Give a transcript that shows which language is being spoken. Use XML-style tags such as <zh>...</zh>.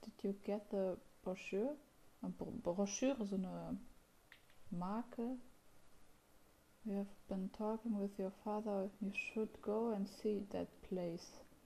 <en>Did you get the brochure?</en> <de>Broschüre, so eine Marke?</de> <en>We have been talking with your father. You should go and see that place.</en>